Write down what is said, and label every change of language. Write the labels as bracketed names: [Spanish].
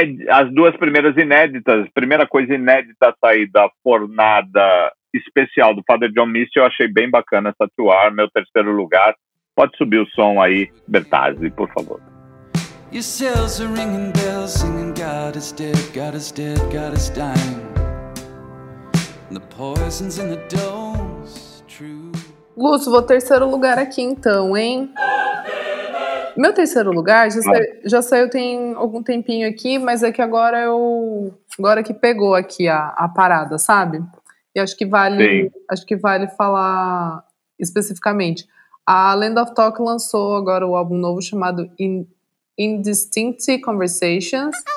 [Portuguese] As duas primeiras inéditas, a primeira coisa inédita a sair da fornada especial do Father John Misty, eu achei bem bacana essa 2R, meu terceiro lugar. Pode subir o som aí, Bertazzi, por favor. [English] Your cells are ringing bells, singing God is dead, God is dead, God is dying. The poison's in the domes, true. [Portuguese] Lúcio, vou terceiro lugar aqui então, hein? Meu terceiro lugar já saiu tem algum tempinho aqui, mas é que agora que pegou aqui a parada, sabe? E acho que vale. Sim. Acho que vale falar especificamente. A Land of Talk lançou agora o álbum novo chamado Indistinct Conversations.